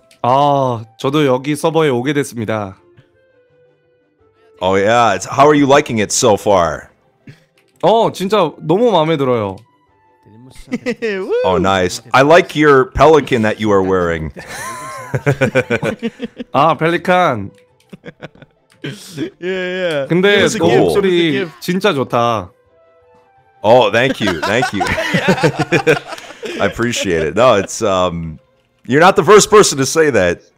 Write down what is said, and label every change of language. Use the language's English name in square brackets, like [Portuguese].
[Korean] Oh, 저도 여기 서버에 오게 됐습니다. [English] Oh yeah, how are you liking it so far? [Korean] Oh, 진짜 너무 마음에 들어요. [English] Oh nice. I like your pelican that you are wearing. Ah, pelican. Yeah. [Korean] 근데 목소리 진짜 좋다. [English] Oh, thank you. I appreciate it. No, it's you're not the first person to say that.